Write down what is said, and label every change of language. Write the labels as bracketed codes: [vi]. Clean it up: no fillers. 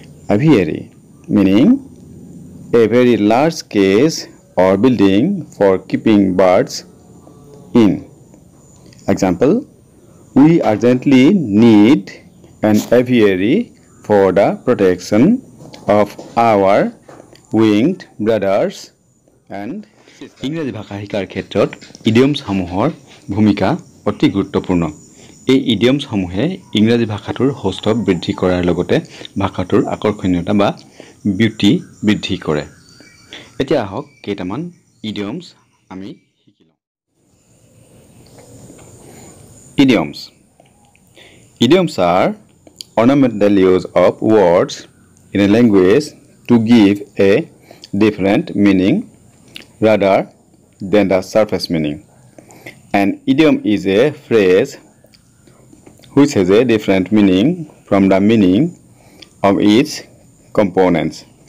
[en] Aviary, meaning a very large case or building for keeping birds in. Example, we urgently need an aviary for the protection of our winged brothers and sisters. [as] ইংৰাজী ভাষা শিকাৰ ক্ষেত্ৰত idioms সমূহৰ ভূমিকা অতি গুৰুত্বপূৰ্ণ। এই idioms সমূহে ইংৰাজী ভাষাটোৰ সৌষ্ঠৱ বৃদ্ধি কৰাৰ লগতে ভাষাটোৰ আকৰ্ষণীয়তা বা বিউটি বৃদ্ধি কৰে। এতিয়া আহক কেইটামান idioms আমি শিকি লওঁ। [en] Idioms. Idioms are ornamental use of words in a language to give a different meaning rather than the surface meaning. An idiom is a phrase which has a different meaning from the meaning of its components.